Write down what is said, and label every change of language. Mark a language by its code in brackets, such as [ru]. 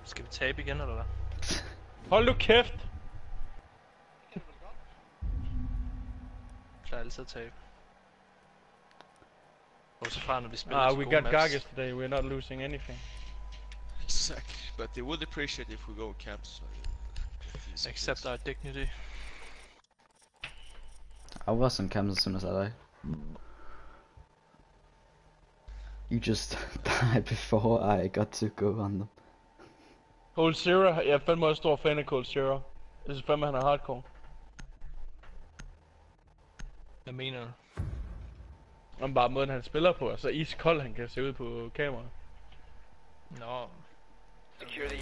[da] Tape igen eller hvad? Hold nu kæft! Jeg plejer altid at tape. Også fra når vi spiller til gode maps. [en] Ah, we got Gargis today, we're not losing anything. Exactly, but they would appreciate if we go camps. Except our dignity. I was in camps as soon as I died. You just died before I got to go on them. [da] Cold Zero, jeg er fandme også stor fan af Cold Zero. Jeg synes fandme, han er hardcore. Hvad mener du? Om bare måden, han spiller på, så iskold han kan se ud på kameraet. Nå. Personlighed,